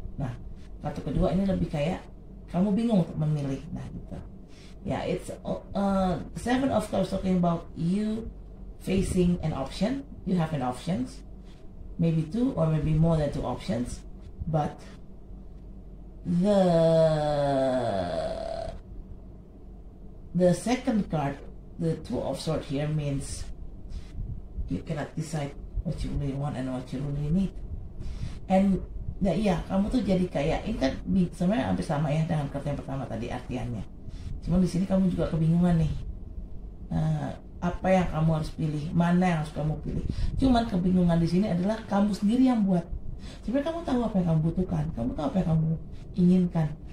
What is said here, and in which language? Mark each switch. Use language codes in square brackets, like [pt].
[id] Nah, kartu kedua ini lebih kayak kamu bingung untuk memilih. Nah, gitu. [en] Yeah, it's Seven of Cups talking about you facing an option. You have an options. Maybe two or maybe more than two options, but the second card, the Two of Swords here, means you cannot decide what you really want and what you really need. [id] And ya, kamu tuh jadi kayak ini kan sebenarnya hampir sama ya dengan kartu yang pertama tadi artiannya. Cuma di sini kamu juga kebingungan nih. Apa yang kamu harus pilih, mana yang harus kamu pilih. Cuman kebingungan di sini adalah kamu sendiri yang buat. Sebenarnya kamu tahu apa yang kamu butuhkan, kamu tahu apa yang kamu inginkan.